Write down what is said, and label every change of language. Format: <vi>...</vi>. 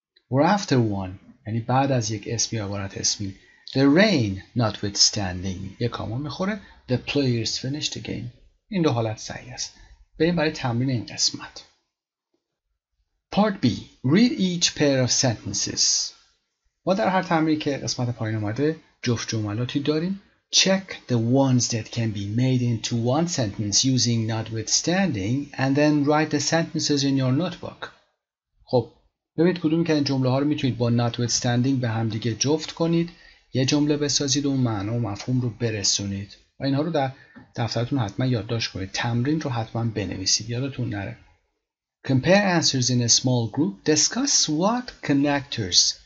<fa>Or after one، یعنی بعد از یک اسم یا عبارت اسمی، the rain notwithstanding یک کاما میخوره، the players finished the game. این دو حالت صحیح است. بریم برای تمرین این قسمت.</fa> <en>Part B. Read each pair of sentences.</en> <fa>ما در هر تمرینی که قسمت پایین اومده جفت جملاتی داریم.</fa> <en>Check the ones that can be made into one sentence using notwithstanding and then write the sentences in your notebook.</en> <fa>خب ببینید کدوم که این جمله ها رو میتونید با notwithstanding به هم دیگه جفت کنید، یه جمله بسازید و اون معنا و مفهوم رو برسونید و اینها رو در دفترتون حتما یادداشت کنید، تمرین رو حتما بنویسید یادتون نره.</fa> <en>Compare answers in a small group. Discuss what connectors.</en>